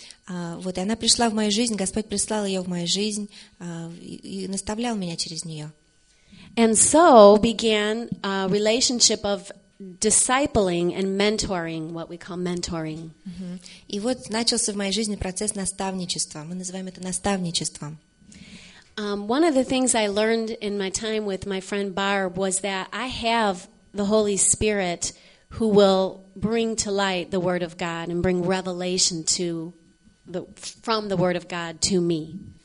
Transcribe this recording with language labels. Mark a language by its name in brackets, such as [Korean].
[Russian] Вот и она пришла в мою жизнь, Господь прислал её в мою жизнь, и наставлял меня через неё. [English] And so began a relationship of discipling and mentoring, what we call mentoring. [Russian] И вот начался в моей жизни процесс наставничества. Мы называем это наставничеством. [English] One of the things I learned in my time with my friend Barb was that I have the Holy Spirit who will bring to light the Word of God and bring revelation to from the Word of God to me.